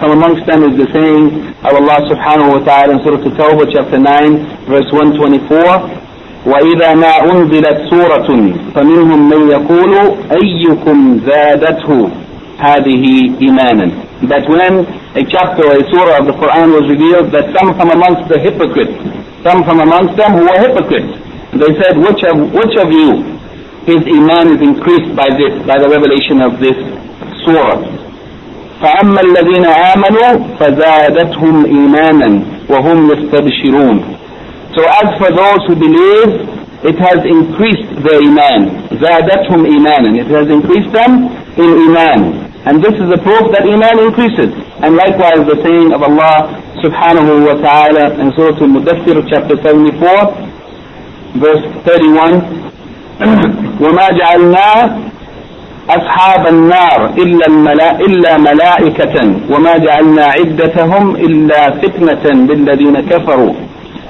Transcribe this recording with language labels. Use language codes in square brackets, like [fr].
[en] From amongst them is the saying of Allah subhanahu wa ta'ala in Surah At-Tawbah, chapter 9, verse 124, [ar] وَإِذَا مَا أُنْزِلَتْ سُورَةٌ فَمِنْهُمْ مَنْ يَقُولُ أَيُّكُمْ زَادَتْهُ هَذِهِ إِمَانًا. [en] That when a chapter or a surah of the Quran was revealed, that some from amongst the hypocrites, some from amongst them who were hypocrites, they said, which of you, his iman is increased by this, by the revelation of this surah. [ar] فأما الذين آمنوا فزادتهم إيمانا وهم يستبشرون. [en] So as for those who believe, it has increased their iman. [ar] زادتهم إيمانا. [en] It has increased them in iman. And this is a proof that iman increases. And likewise the saying of Allah subhanahu wa ta'ala in Surah Al-Mudathir chapter 74 verse 31 [ar] وَمَا جَعَلْنَا أَصْحَابَ النَّارِ إِلَّا مَلَائِكَةً وَمَا جَعَلْنَا عِدَّتَهُمْ إِلَّا فِتْنَةً لِلَّذِينَ كَفَرُوا.